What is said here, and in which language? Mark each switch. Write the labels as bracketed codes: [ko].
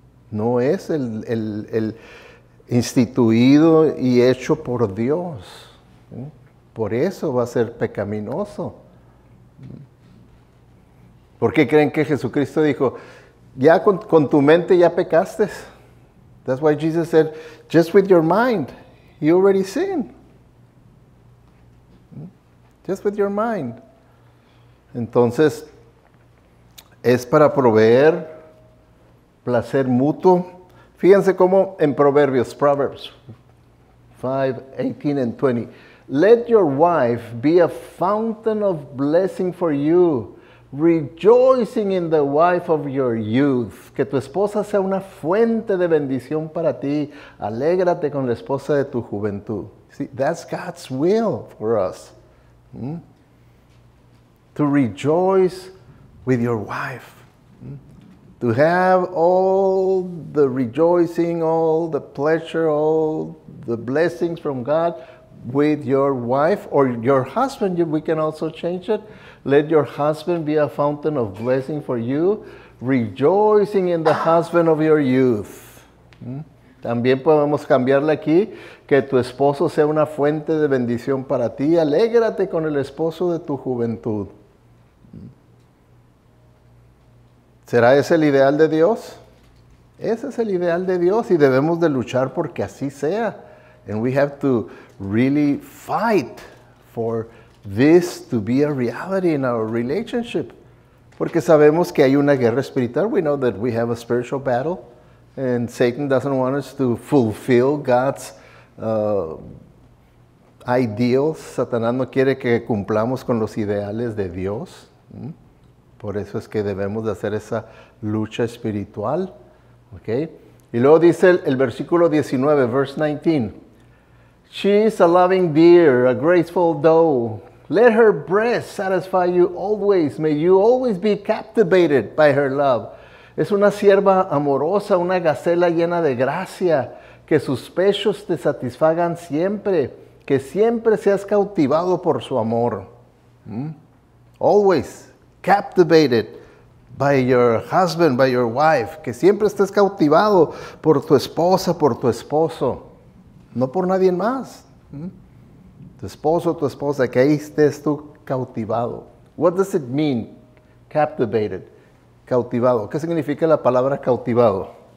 [es] No es el instituido y hecho por Dios. Por eso va a ser pecaminoso. ¿Por qué creen que Jesucristo dijo, ya con tu mente ya pecaste? [en] That's why Jesus said, just with your mind, you already sinned. Just with your mind. [es] Entonces, es para proveer placer mutuo. Fíjense cómo en Proverbios, Proverbs 5, 18 and 20. [en] Let your wife be a fountain of blessing for you, rejoicing in the wife of your youth. [es] Que tu esposa sea una fuente de bendición para ti. Alégrate con la esposa de tu juventud. [en] See, that's God's will for us. To rejoice with your wife. To have all the rejoicing, all the pleasure, all the blessings from God with your wife or your husband. We can also change it. Let your husband be a fountain of blessing for you, rejoicing in the husband of your youth. [es] También podemos cambiarle aquí, que tu esposo sea una fuente de bendición para ti. Alégrate con el esposo de tu juventud. ¿Será ese el ideal de Dios? Ese es el ideal de Dios y debemos de luchar porque así sea. [en] And we have to really fight for this to be a reality in our relationship. [es] Porque sabemos que hay una guerra espiritual. [en] We know that we have a spiritual battle. And Satan doesn't want us to fulfill God's ideals. [es] Satanás no quiere que cumplamos con los ideales de Dios. Por eso es que debemos de hacer esa lucha espiritual. Okay. Y luego dice el versículo 19, [en] verse 19. She is a loving deer, a graceful doe. Let her breast satisfy you always. May you always be captivated by her love. [es] Es una sierva amorosa, una gacela llena de gracia. Que sus pechos te satisfagan siempre. Que siempre seas cautivado por su amor. [en] Always captivated by your husband, by your wife. [es] Que siempre estés cautivado por tu esposa, por tu esposo. No por nadie más. Tu esposo, tu esposa, que ahí estés tú cautivado. [en] What does it mean, captivated? Cautivado. [es] ¿Qué significa la palabra cautivado?